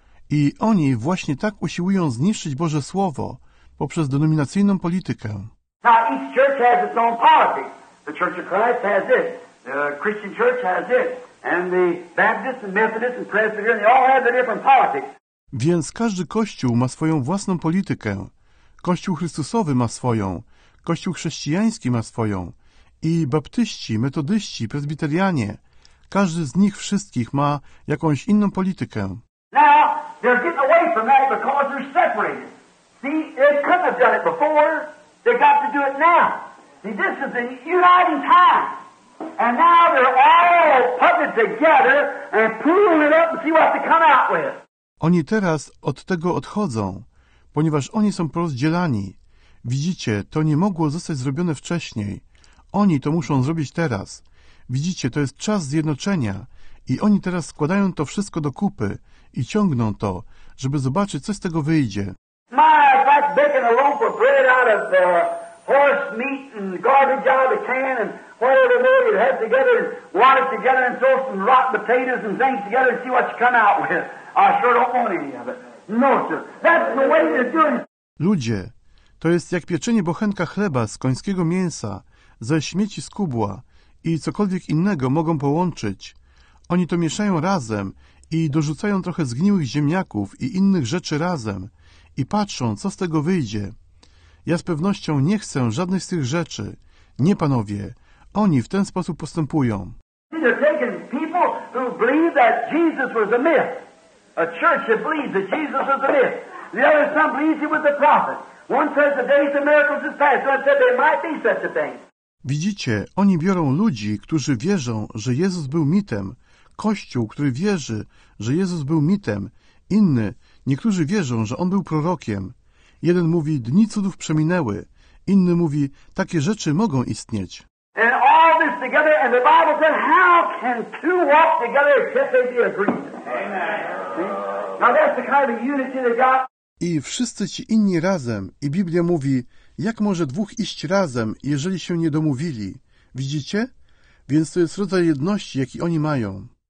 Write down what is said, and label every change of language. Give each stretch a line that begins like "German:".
Polish: I oni właśnie tak usiłują zniszczyć Boże Słowo poprzez denominacyjną politykę.
English: Now each church has its own policy. The Church of Christ has this. The Christian Church has this. And the Baptist and Methodist and Presbyterian, they all have their different politics.
Polish: Więc każdy kościół ma swoją własną politykę. Kościół Chrystusowy ma swoją. Kościół chrześcijański ma swoją. I baptyści, metodyści, prezbiterianie. Każdy z nich wszystkich ma jakąś inną politykę.
English: Now, they're getting away from that because they're separated. See, they couldn't have done it before. They got to do it now. See, this is the uniting time. And now they're all putting it together and pulling it up and see what they come out with.
Polish: Oni teraz od tego odchodzą, ponieważ oni są porozdzielani. Widzicie, to nie mogło zostać zrobione wcześniej. Oni to muszą zrobić teraz. Widzicie, to jest czas zjednoczenia i oni teraz składają to wszystko do kupy i ciągną to, żeby zobaczyć, co z tego wyjdzie.
English: My, it's like baking a loaf of bread out of the horse meat and garbage out of the can and whatever it is, you have together and water it together and throw some rotten potatoes and things together and see what you come out with. I sure don't want any of it. No, sir. That's the way they're doing it.
Polish: Ludzie, to jest jak pieczenie bochenka chleba z końskiego mięsa, ze śmieci z kubła, i cokolwiek innego mogą połączyć. Oni to mieszają razem i dorzucają trochę zgniłych ziemniaków i innych rzeczy razem i patrzą, co z tego wyjdzie. Ja z pewnością nie chcę żadnych z tych rzeczy. Nie, panowie. Oni w ten sposób postępują.
English: They're taking people who believe that Jesus was a myth. A church that believes that Jesus was a myth. The other some believes he was a prophet. One says the days of miracles is past. One said there might be such a thing.
Polish: Widzicie, oni biorą ludzi, którzy wierzą, że Jezus był mitem, kościół, który wierzy, że Jezus był mitem, inny, niektórzy wierzą, że on był prorokiem. Jeden mówi, dni cudów przeminęły, inny mówi, takie rzeczy mogą istnieć.
English: And all this together, and the Bible said, how can two walk together except they be agreed? Amen. Now that's the kind of unity they got.
Polish: I wszyscy ci inni razem, i Biblia mówi, jak może dwóch iść razem, jeżeli się nie domówili? Widzicie? Więc to jest rodzaj jedności, jaki oni mają.